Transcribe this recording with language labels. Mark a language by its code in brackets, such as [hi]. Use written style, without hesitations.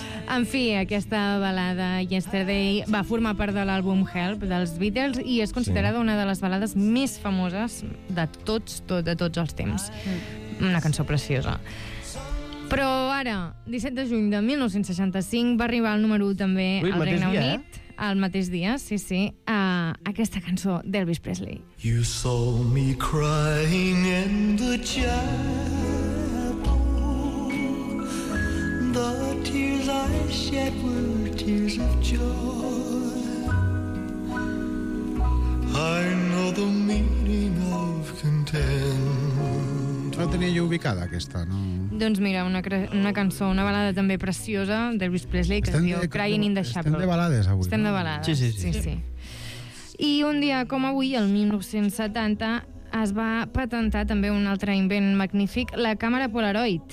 [ca] En fi, aquesta balada Yesterday va formar part de l'àlbum Help dels Beatles i és considerada una de les balades més famoses de tots els temps. Una cançó preciosa. Però ara, 17 de juny de 1965, va arribar el número 1 també al Regne Unit. El mateix dia, sí, sí, aquesta cançó d'Elvis Presley. [en] You saw me crying in the chapel. The tears I shed were tears of joy. I know the meaning of content. [ca] La tenia jo ubicada, aquesta, no? Doncs mira, una cançó, una balada també preciosa d'Elvis Presley, que es diu Crying in the Chapel. Estem de balades avui. Estem de balades. Sí. I un dia com avui, el 1970, es va patentar també un altre invent magnífic, la càmera Polaroid.